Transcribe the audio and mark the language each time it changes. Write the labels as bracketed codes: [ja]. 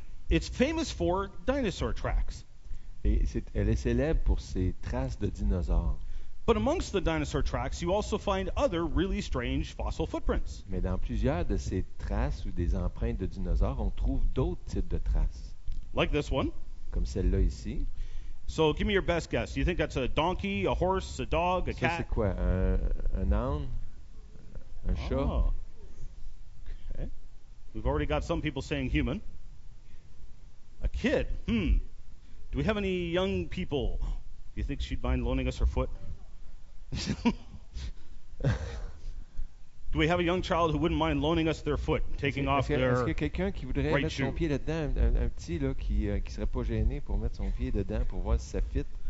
[en] It's famous for dinosaur tracks. [fr] Et elle est célèbre pour ses traces de dinosaures. [en] But amongst the dinosaur tracks, you also find other really strange fossil footprints. [fr] Mais dans plusieurs de ces traces ou des empreintes de dinosaures, on trouve d'autres types de traces. [en] Like this one. [fr] Comme celle-là ici. [en] So give me your best guess. Do you think that's a donkey, a horse, a dog, a cat? [fr] Ça, c'est quoi? Un âne? Un chat? [en] Oh. Okay. We've already got some people saying human. A kid? Hmm. Do we have any young people? Do you think she'd mind loaning us her foot? Do we have a young child who wouldn't mind loaning us their foot, taking off their right shoe? [fr] Est-ce qu'il y a quelqu'un qui voudrait mettre son pied dedans, un petit là qui serait pas gêné pour mettre son pied dedans pour voir si ça fit?